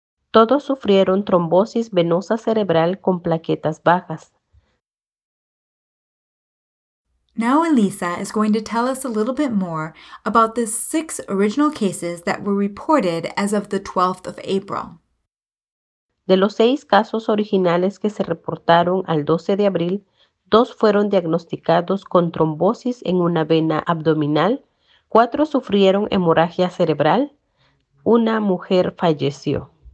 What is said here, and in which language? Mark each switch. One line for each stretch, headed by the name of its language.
Spanish: Todos sufrieron trombosis venosa cerebral con plaquetas bajas.
English: Now Elisa is going to tell us a little bit more about the 6 original cases that were reported as of the 12th of April.
Spanish: De los 6 casos originales que se reportaron al 12 de abril, 2 fueron diagnosticados con trombosis en una vena abdominal, 4 sufrieron hemorragia cerebral, una mujer falleció.